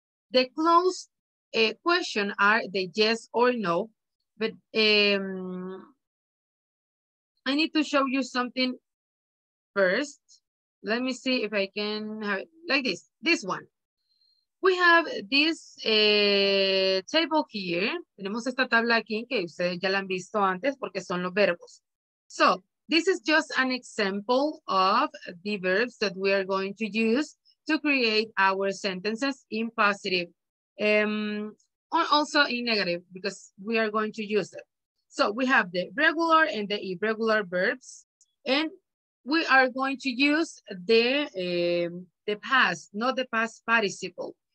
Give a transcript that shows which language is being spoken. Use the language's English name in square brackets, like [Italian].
[English] The closed question are the yes or no, but I need to show you something first. Let me see if I can have it like this, this one. We have this table here. [Spanish] Tenemos esta tabla aquí que ustedes ya la han visto antes porque son los verbos. [English] So this is just an example of the verbs that we are going to use to create our sentences in positive or also in negative because we are going to use it. So we have the regular and the irregular verbs and we are going to use the past, not the past participle.